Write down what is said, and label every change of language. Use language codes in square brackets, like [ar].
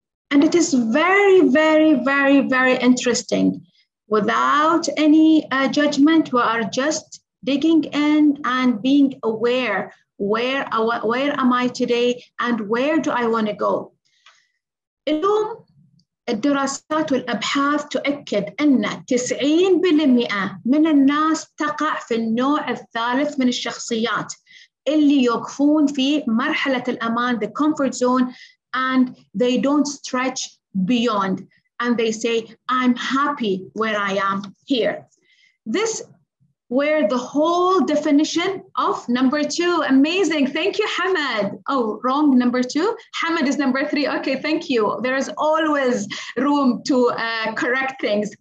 [en] And it is very, very, very, very interesting. Without any judgment, we are just digging in and being aware where am I today and where do I want to go. [ar] اليوم الدراسات والأبحاث تؤكد أن 90% من الناس تقع في النوع الثالث من الشخصيات اللي يوقفون في مرحلة الأمان, [en] the comfort zone, and they don't stretch beyond. And they say, I'm happy where I am here. This where the whole definition of number two. Amazing. Thank you, Hamad. Oh, wrong number two. Hamad is number three. Okay, thank you. There is always room to correct things.